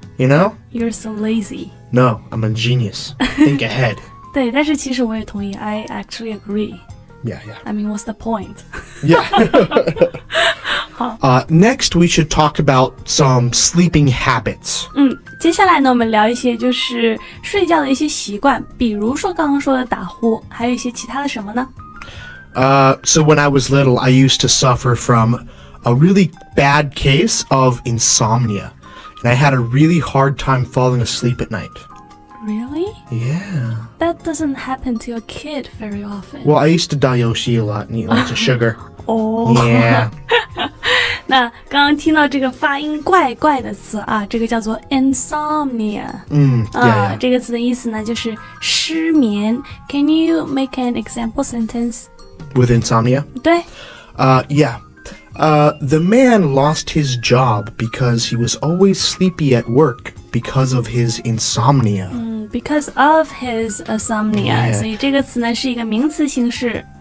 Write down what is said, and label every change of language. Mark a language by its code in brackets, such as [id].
[en] You know? You're so lazy. No, I'm a genius. Think ahead. [zh] 对,但是其实我也同意。 [en] I actually agree. Yeah. I mean, what's the point? Yeah. next, we should talk about some sleeping habits. [zh] 接下来呢，我们聊一些就是睡觉的一些习惯，比如说刚刚说的打呼，还有一些其他的什么呢？ [en] So when I was little, I used to suffer from a really bad case of insomnia, and I had a really hard time falling asleep at night. Really? Yeah. That doesn't happen to your kid very often. Well, I used to Daiyoshi a lot and eat lots of sugar. Oh. Yeah. [zh] 那刚刚听到这个发音怪怪的词啊，这个叫做 insomnia. 嗯、mm, yeah, yeah. 这个词的意思呢就是失眠。 [en] Can you make an example sentence? With insomnia? [zh] 对。 [en] Yeah. The man lost his job because he was always sleepy at work because of his insomnia. Because of his insomnia. Yeah. [zh] 所以这个词呢是一个名词形式。